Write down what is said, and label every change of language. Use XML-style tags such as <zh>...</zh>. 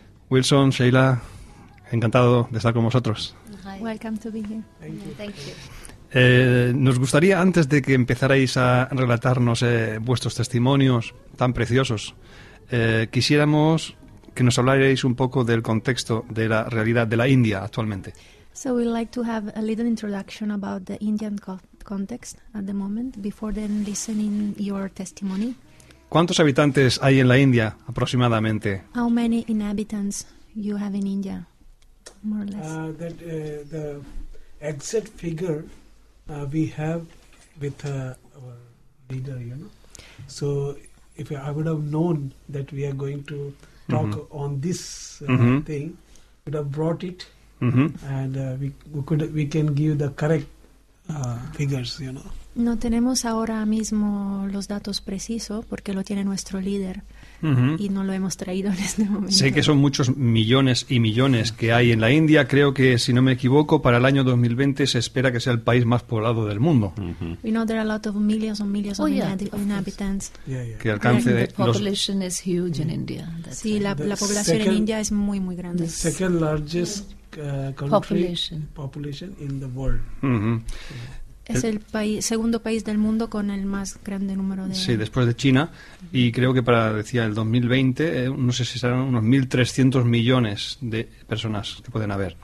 <es>Wilson, Sheila, encantado de estar con vosotros.</es> <en>Welcome to be here. Thank you.</en> <es>Nos gustaría, antes de que empezarais a relatarnos vuestros testimonios tan preciosos, quisiéramos que nos hablarais un poco del contexto de la realidad de la India actualmente.</es> <en>So we'd like to have a little introduction about the Indian context at the moment before then listening your testimony.</en> <es>¿Cuántos habitantes hay en la India aproximadamente?</es> <en>How many inhabitants you have in India? More or less. The exact figure we have with our leader, you know. So if I would have known that we are going to talk mm-hmm. on this mm-hmm. thing, would have brought it, mm-hmm. and we can give the correct figures, you know.</en> <es>No tenemos ahora mismo los datos precisos porque lo tiene nuestro líder. Uh-huh. Y no lo hemos traído en este momento. Sé que son muchos millones y millones que hay en la India. Creo que, si no me equivoco, para el año 2020 se espera que sea el país más poblado del mundo.</es> <en>Uh-huh. We know there are a lot of millions and millions of inhabitants. Yeah, yeah.</en> <es>Que alcance</es> <en>the population is huge mm-hmm. in India. That's</en> <es>sí, la población en India es muy, muy grande.</es> <en>The second largest country population in the world. Uh-huh.</en> <es>Es el país, segundo país del mundo con el más grande número de... Sí, después de China. Y creo que para, decía, el 2020, no sé si serán unos 1.300 millones de personas que pueden haber.</es>